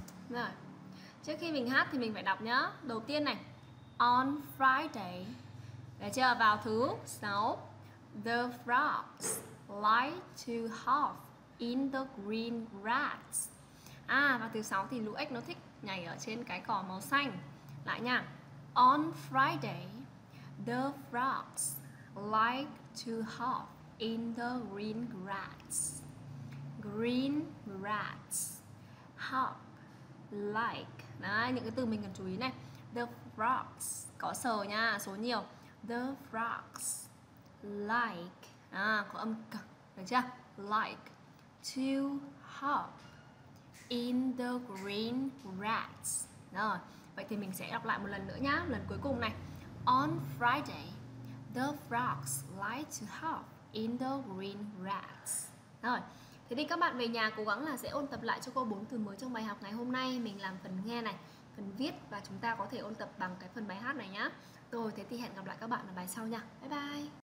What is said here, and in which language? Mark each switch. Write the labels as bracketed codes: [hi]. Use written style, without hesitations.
[vi] Rồi. Trước khi mình hát thì mình phải đọc nhá. Đầu tiên này, on Friday, để chờ vào thứ 6, [en] the frogs like to hop in the green grass. [vi] À, vào thứ 6 thì lũ ếch nó thích nhảy ở trên cái cỏ màu xanh. Lại nha, [en] on Friday, the frogs like to hop in the green grass. Green grass, hop, like. [vi] Đấy, những cái từ mình cần chú ý này. [en] The frogs, [vi] có sờ nha, số nhiều. [en] The frogs like, [vi] à, có âm c, được chưa? [en] Like to hop in the green grass. [vi] Rồi, vậy thì mình sẽ đọc lại một lần nữa nhá, lần cuối cùng này. [en] On Friday, the frogs like to hop in the green grass. [vi] Rồi, thế thì các bạn về nhà cố gắng là sẽ ôn tập lại cho cô 4 từ mới trong bài học ngày hôm nay. Mình làm phần nghe này, phần viết và chúng ta có thể ôn tập bằng cái phần bài hát này nhá. Rồi, thế thì hẹn gặp lại các bạn ở bài sau nha. Bye bye.